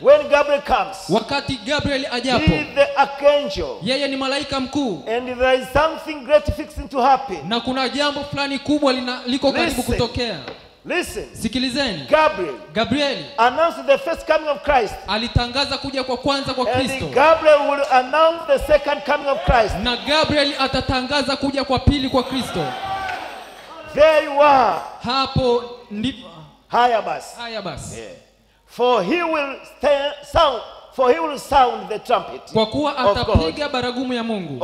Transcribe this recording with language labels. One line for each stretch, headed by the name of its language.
English: When Gabriel comes.
Swahili: Wakati Gabriel ajapo.
English: He is the archangel.
Swahili: Yeye ni malaika mkuu.
English: And there is something great fixing to happen.
Swahili: Na kuna jambo fulani kubwa liko karibu kutokea.
English: Listen.
Swahili: Sikilizeni.
English: Gabriel. Gabriel announced the first coming of Christ.
Swahili: Alitangaza kuja kwa kwanza kwa Kristo.
English: And Gabriel will announce the second coming of Christ.
Swahili: Na Gabriel atatangaza kuja kwa pili kwa Kristo.
English: They were.
Swahili: Hapo ndipo. Haya basi. Haya basi.
English: For he will sound. For he will sound the trumpet.
Swahili: Kwa kuwa atapiga baragumu ya Mungu.